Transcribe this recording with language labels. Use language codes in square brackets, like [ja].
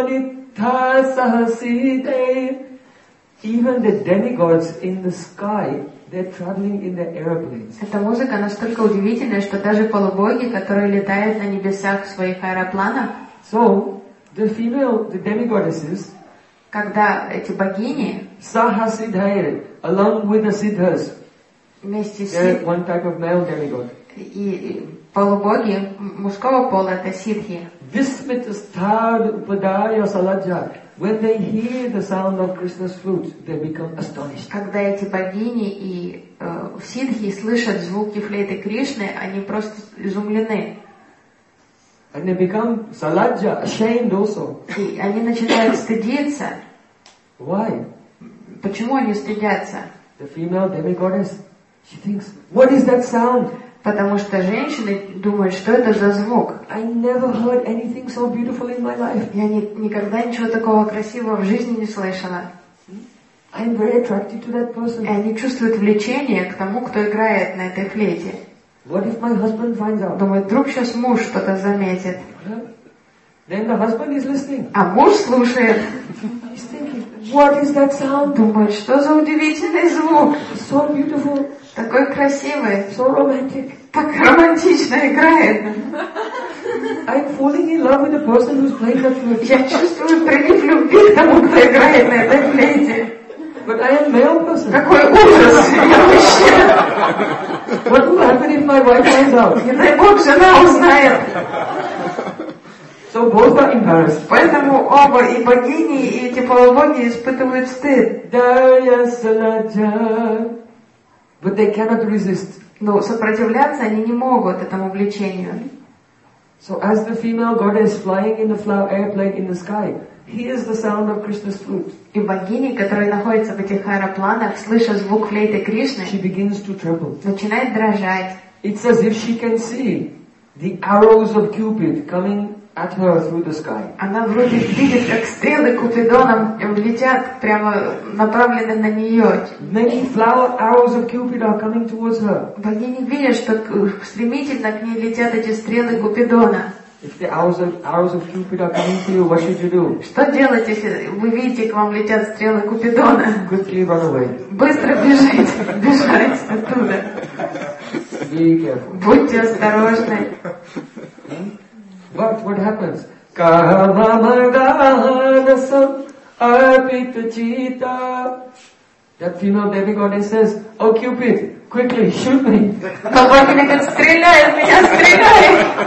[sa] Гумаджанабанитасахасите. [en] Even the demigods in the sky, they're traveling in their aeroplanes. [ru] Эта музыка настолько удивительная, что даже полубоги, которые летают на небесах в своих аэропланах. [en] So, the female, the demigoddesses, [ru] когда эти богини [en] Sahasiddhaya, along with the siddhas, [ru] вместе с [en] one type of male demigod. [ru] И полубоги мужского пола это сиддхи. [sa] Visvitasthadupadaya salaja. [en] When they hear the sound of Krishna's flute, they become astonished. [ru] Когда эти богини и сиддхи слышат звуки флейты Кришны, они просто изумлены. [en] And they become salaja, ashamed also. [ru] И они начинают стыдиться. [en] Why? [ru] Почему они стыдятся? [en] The female demigoddess, she thinks, what is that sound? [ru] Потому что женщины думают, что это за звук? [en] I never heard anything so beautiful in my life. [ru] Я никогда ничего такого красивого в жизни не слышала. [en] I'm very attracted to that person. [ru] И они чувствуют влечение к тому, кто играет на этой флейте. [en] What if my husband finds out? [ru] Думает, вдруг сейчас муж что-то заметит. [en] Then the husband is listening. [ru] А муж слушает. [en] He's thinking, what is that sound? [ru] Думает, что за удивительный звук? [en] So beautiful. [ru] Такой красивый. [en] So romantic. [ru] Так романтично играет. [en] I'm falling in love with the person who's playing that flute. [ru] Я чувствую прилив любви к тому, кто играет на этой флейте. [en] But I am male person. [ru] Какой ужас! Я мужчина. [en] What will happen if my wife finds out? [ru] Не дай бог, жена узнает. [en] So both are embarrassed. [ru] Поэтому оба, и богини, и эти полубоги испытывают стыд. Дарья Саладжа. [en] But they cannot resist. [ru] Но сопротивляться они не могут этому влечению. [en] So as the female goddess flying in the flower airplane in the sky, hears the sound of Krishna's flute. [ru] И богини, которые находятся в этих аэропланах, слыша звук флейты Кришны, [en] she begins to tremble. [ru] Начинает дрожать. [en] It's as if she can see the arrows of Cupid coming at her through the sky. [ru] Она вроде видит, как стрелы Купидона летят прямо направлены на нее. [en] Many flower arrows of Cupid are coming towards her. [ru] Богини видят, что стремительно к ней летят эти стрелы Купидона. [en] If the arrows of Cupid are coming to you, what should you do? [ru] Что делать, если вы видите, к вам летят стрелы Купидона? [en] Quickly run away. [ru] Быстро бежите, бежать оттуда. [en] Be careful. [ru] Будьте осторожны. [en] But what happens? [sa] Kama Maganasam Arpita Chita. [en] That female demigoddess says, oh Cupid, quickly shoot me. [ru] Побоги меня, стреляй в меня, стреляй!